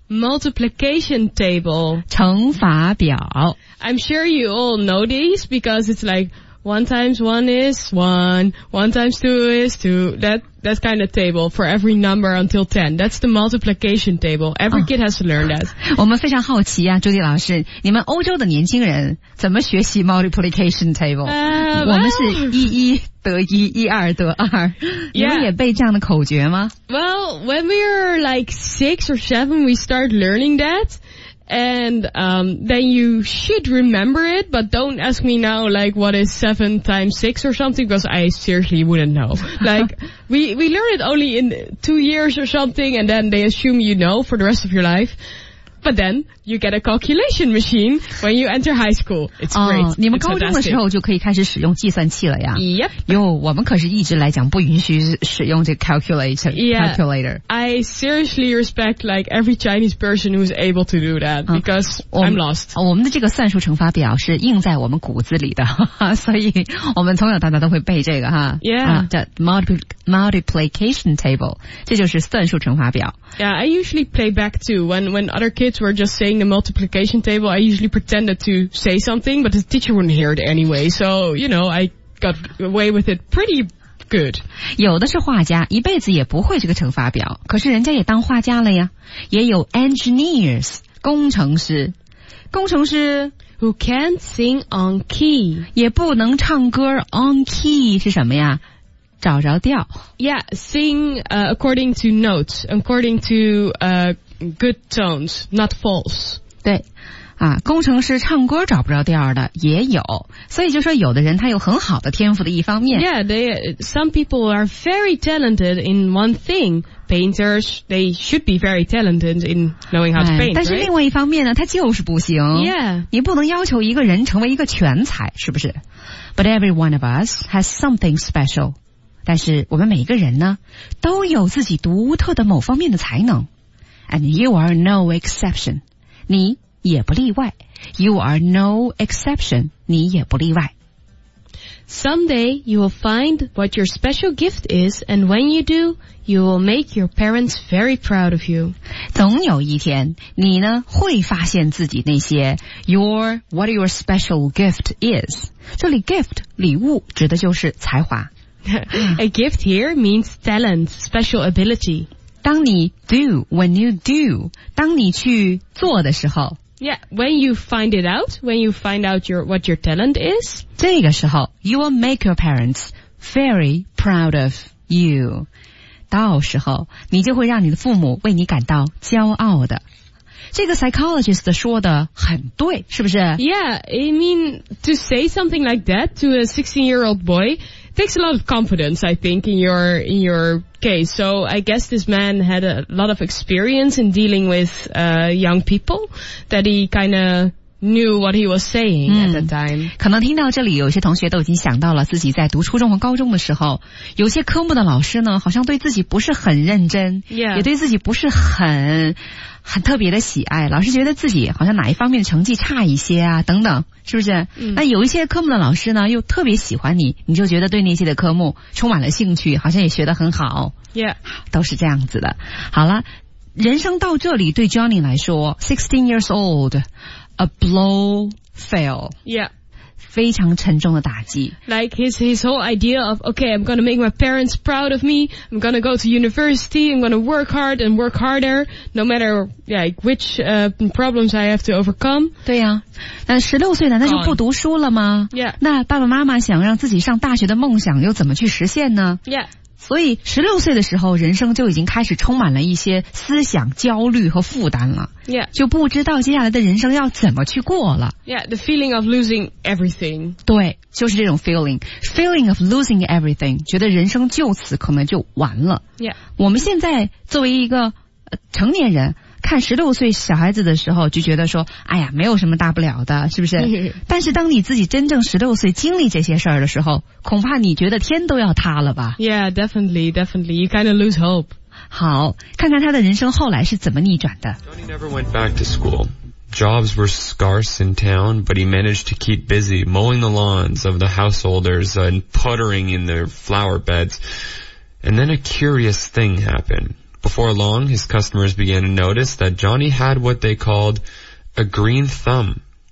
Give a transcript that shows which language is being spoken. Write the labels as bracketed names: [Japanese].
[English] multiplication table. [Chinese] 乘法表。 [English] I'm sure you all know these because it's like one times one is one, one times two is two, that's kind of table for every number until ten. That's the multiplication table. Every kid has to learn that. [Chinese] 我们非常好奇啊，朱迪老师，你们欧洲的年轻人怎么学习 [English] multiplication table? [Chinese] 我们是一一得一，一二得二。 [English] Yeah. [Chinese] 你们也背这样的口诀吗？ [English] Well, when we are like six or seven, we start learning that. And, then you should remember it, but don't ask me now, like, what is 7 times 6 or something, because I seriously wouldn't know. Like, we learn it only in 2 years or something, and then they assume you know for the rest of your life. But then, you get a calculation machine when you enter high school. It's great. [Chinese] 你们高中的时候就可以开始使用计算器了呀。 [English] Yep. [Chinese] 因为我们可是一直来讲不允许使用这个 calculator. [English] Calculator. I seriously respect, like, every Chinese person who's able to do that, because I'm lost. [Chinese] 我们的这个算术乘法表是印在我们骨子里的，所以我们从小到大都会背这个哈。 [English] Yeah. Multiplication table. [Chinese] 这就是算术乘法表。 [English] Yeah, I usually play back too. When other kids were just saying the multiplication table, I usually pretended to say something, but the teacher wouldn't hear it anyway. So, you know, I got away with it pretty good. [Chinese] 有的是画家，一辈子也不会这个乘法表，可是人家也当画家了呀。也有 engineers, 工程师。工程师 [English] who can't sing on key. [Chinese] 也不能唱歌 on key 是什么呀？找着调。 [English] Yeah, sing, according to notes, according to, good tones, not false. [Chinese] 对。啊，工程师唱歌找不着调的也有。所以就说有的人他有很好的天赋的一方面。 [English] Yeah, some people are very talented in one thing. Painters, they should be very talented in knowing how to paint. [Chinese] 但是另外一方面呢，他就是不行。 [English] Yeah. [Chinese] 你不能要求一个人成为一个全才，是不是？ [English] But every one of us has something special. [Chinese] 但是我们每个人呢都有自己独特的某方面的才能。 [English] And you are no exception. [Chinese] 你也不例外。 [English] You are no exception. [Chinese] 你也不例外。 [English] Someday you will find what your special gift is and when you do, you will make your parents very proud of you. [Chinese] 总有一天你呢会发现自己那些 [English] what your special gift is. [Chinese] 这里 gift, 礼物指的就是才华。 [English] A gift here means talent, special ability. [Chinese] 当你 do, [English] when you do, [Chinese] 当你去做的时候。 [English] Yeah, when you find it out, when you find out what your talent is. [Chinese] 这个时候 [English] you will make your parents very proud of you. [Chinese] 到时候你就会让你的父母为你感到骄傲的。这个 psychologist 说的很对，是不是？ [English] Yeah, I mean, to say something like that to a 16-year-old boy,takes a lot of confidence, I think, in your case. So I guess this man had a lot of experience in dealing with, young people that he kind of knew what he was saying at the time. [Chinese] 可能听到这里有些同学都已经想到了自己在读初中和高中的时候，有些科目的老师呢，好像对自己不是很认真，也对自己不是很特别的喜爱，老师觉得自己好像哪一方面成绩差一些啊等等，是不是？那有一些科目的老师呢又特别喜欢你，你就觉得对那些的科目充满了兴趣，好像也学得很好。都是这样子的。好了，人生到这里对 Johnny 来说 , [English] 16 years old, a blow fail. Yeah. [Chinese] 非常沉重的打击。 [English] Like his whole idea of, okay, I'm gonna make my parents proud of me, I'm gonna go to university, I'm gonna work hard and work harder, no matter, like, which, problems I have to overcome. [Chinese] 对呀、那16岁难道就不读书了吗、 [English] Yeah. [Chinese] 那爸爸妈妈想让自己上大学的梦想又怎么去实现呢 [English] ?Yeah. [Chinese] 所以16岁的时候人生就已经开始充满了一些思想焦虑和负担了。 [English] Yeah. [Chinese] 就不知道接下来的人生要怎么去过了。 [English] Yeah, the feeling of losing everything. [Chinese] 对，就是这种 feeling. [English] Feeling of losing everything, [Chinese] 觉得人生就此可能就完了。 [English] Yeah. [Chinese] 我们现在作为一个、成年人看16岁小孩子的时候就觉得说哎呀没有什么大不了的，是不是？但是当你自己真正16岁经历这些事儿的时候，恐怕你觉得天都要塌了吧。 [English] Yeah, definitely, you kind of lose hope. [Chinese] 好，看看他的人生后来是怎么逆转的。 [English] Johnny never went back to school. Jobs were scarce in town, but he managed to keep busy mowing the lawns of the householders and puttering in their flower beds. And then a curious thing happened. Before long, his customers began to notice that Johnny had what they called a green thumb.